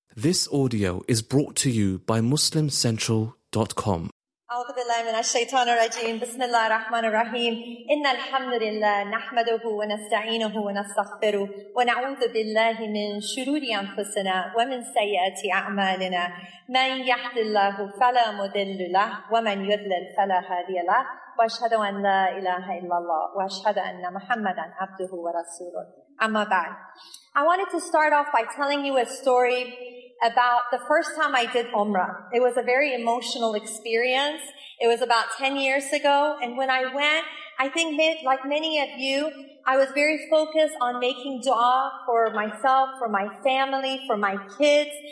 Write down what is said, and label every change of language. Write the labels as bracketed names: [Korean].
[English] This audio is brought to you by MuslimCentral.com. [Arabic] أعوذ بالله من الشيطان الرجيم بسم الله الرحمن الرحيم إن الحمد لله نحمده ونستعينه ونستغفره ونعوذ بالله من شرور أنفسنا ومن سيئات أعمالنا من يهد الله فلا مضل له ومن يضلل فلا هادي له وأشهد أن لا إله إلا الله وأشهد أن محمدا عبده ورسوله أما بعد. [English] I wanted to start off by telling you a story about the first time I did Umrah. It was a very emotional experience. It was about 10 years ago. And when I went, I think like many of you, I was very focused on making dua for myself, for my family, for my kids.